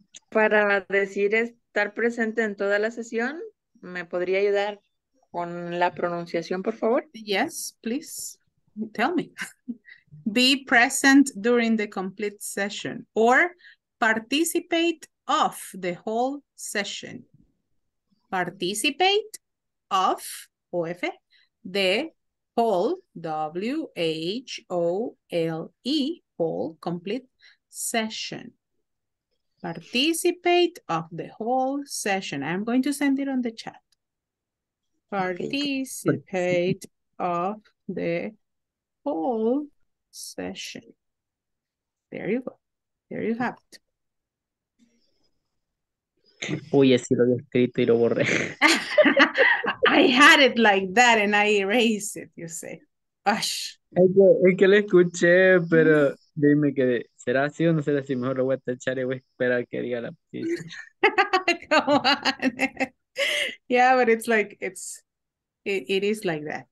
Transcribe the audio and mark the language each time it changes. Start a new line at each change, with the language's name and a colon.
Spanish: Para decir estar presente en toda la sesión, ¿me podría ayudar con la pronunciación, por favor?
English: Yes, please. Tell me. Be present during the complete session or participate of the whole session. Participate of, O-F, the whole, W-H-O-L-E, whole, complete session. Participate of the whole session. I'm going to send it on the chat. Participate of the whole session. There you go. There you have it.
Spanish: Uy, así lo he escrito y lo borré.
English: I had it like that and I erased it, you say. Ush.
Spanish: Es que lo escuché, pero dime que será así o no será así. Mejor lo voy a tachar y voy a esperar que diga la pista.
English: Come on. Yeah, but it's like, it is like that.